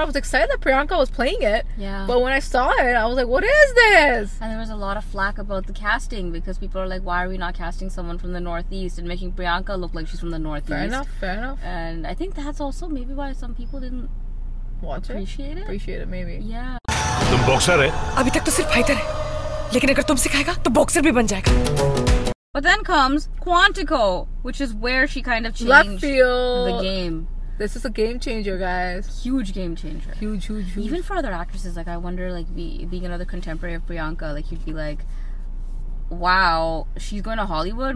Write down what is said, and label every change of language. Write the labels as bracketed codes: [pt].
[en] I was excited that Priyanka was playing it. Yeah. But when I saw it, I was like, what is this? And there was a lot of flack about the casting, because people are like, why are we not casting someone from the Northeast and making Priyanka look like she's from the Northeast? Fair enough. And I think that's also maybe why some people didn't watch appreciate it. Appreciate it, maybe. Yeah. [hi] तुम boxer है अभी तक तो सिर्फ fighter है लेकिन अगर तुम सिखाएगा तो बॉक्सर भी बन जाएगा [en] But then comes Quantico, which is where she kind of changed the game. This is a game changer, guys. Huge game changer. Huge. Even for other actresses, like, I wonder, like, being another contemporary of Priyanka, like, you'd be like, wow, she's going to Hollywood?